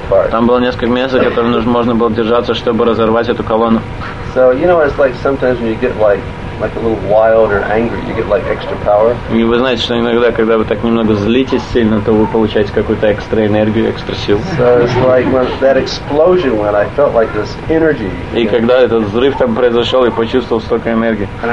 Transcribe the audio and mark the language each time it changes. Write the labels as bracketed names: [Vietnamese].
[Russian] Там было несколько мест, которые можно было держаться, чтобы разорвать эту колонну. [English] So you know, it's like sometimes when you get like a little wild or angry, you get like extra power. [Russian] И вы знаете, что иногда, когда вы так немного злитесь сильно, то вы получаете какую-то экстра энергию, экстра сил. [English] So it's like when that explosion, when I felt like this energy. [Russian] И когда этот взрыв там произошел, я почувствовал столько энергии.